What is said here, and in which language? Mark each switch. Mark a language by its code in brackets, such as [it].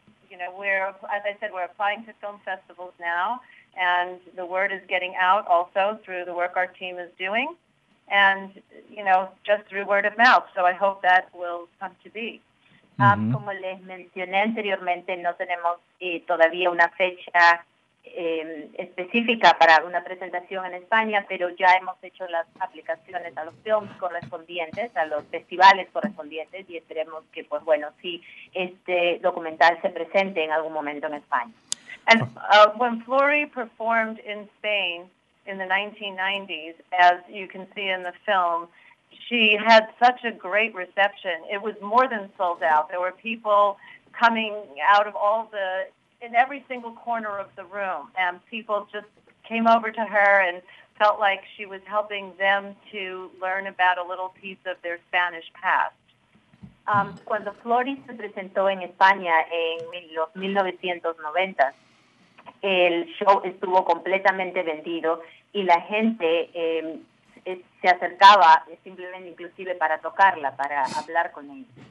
[en] You know, we're applying to film festivals now, and the word is getting out also through the work our team is doing, and you know, just through word of mouth. So I hope that will come to be. [es] Como les mencioné anteriormente, no tenemos todavía una fecha específica para una presentación en España, pero ya hemos hecho las aplicaciones a los films correspondientes, a los festivales correspondientes, y esperemos que, pues bueno, si este documental se presente en algún momento en España. [en] And, when Flory performed in Spain in the 1990s, as you can see in the film, she had such a great reception. It was more than sold out. There were people coming out of all the, in every single corner of the room. And people just came over to her and felt like she was helping them to learn about a little piece of their Spanish past. [es] Cuando Floris se presentó en España en los 1990, el show estuvo completamente vendido y la gente se acercaba simplemente inclusive para tocarla, para hablar con ella.